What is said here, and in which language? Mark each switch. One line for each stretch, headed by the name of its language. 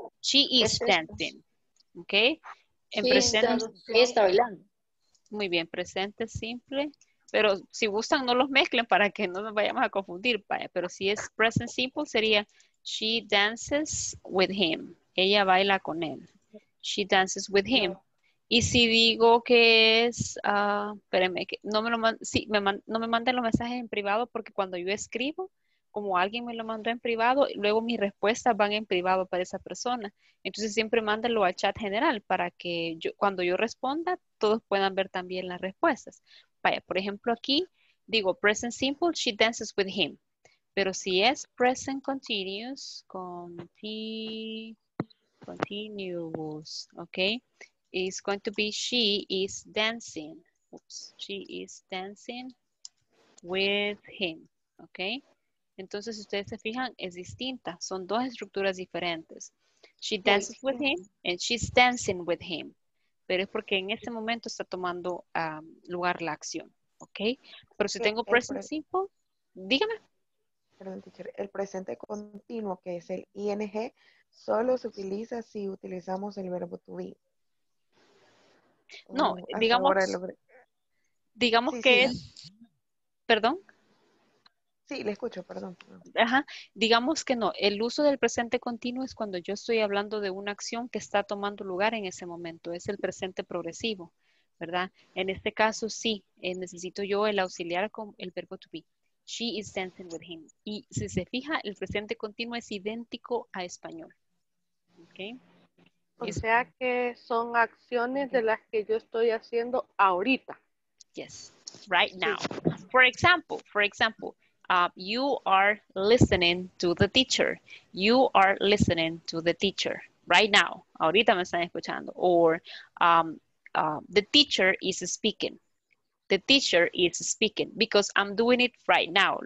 English: She is dancing. Ok.
Spanish: En presente. Ella está bailando. Muy bien, presente, simple. Pero si gustan, no los mezclen para que no nos vayamos a confundir. Vaya. Pero si es
English: present simple,
Spanish: sería
English: she dances with him.
Spanish: Ella baila con él.
English: She dances with him.
Spanish: Y si digo que es, espérenme, que no, me lo sí, no me manden los mensajes en privado porque cuando yo escribo, como alguien me lo mandó en privado, luego mis respuestas van en privado para esa persona. Entonces siempre mándenlo al chat general para que yo, cuando yo responda, todos puedan ver también las respuestas. Vaya, por ejemplo, aquí digo
English: present simple, she dances with him.
Spanish: Pero si es
English: present continuous, continuous, ok, it's going to be she is dancing. Oops, she is dancing with him, ok.
Spanish: Entonces, si ustedes se fijan, es distinta. Son dos estructuras diferentes.
English: She dances with him and she's dancing with him.
Spanish: Pero es porque en este momento está tomando lugar la acción. ¿Ok? Pero si tengo present simple, dígame. Perdón, teacher. El presente continuo, que es el ING, solo se utiliza si utilizamos el verbo to be. No, digamos, digamos sí, que sí. Es, perdón. Sí, le escucho, perdón. Ajá, digamos que no, el uso del presente continuo es cuando yo estoy hablando de una acción que está tomando lugar en ese momento, es el presente progresivo, ¿verdad? En este caso, sí, necesito yo el auxiliar con el verbo to be.
English: She is dancing with him.
Spanish: Y si se fija, el presente continuo es idéntico a español.
English: Okay.
Spanish: O sea que son acciones de las que yo estoy haciendo ahorita.
English: Yes, right now. For example, you are listening to the teacher. You are listening to the teacher right now.
Spanish: Ahorita me están escuchando.
English: Or the teacher is speaking. The teacher is speaking because I'm doing it right now.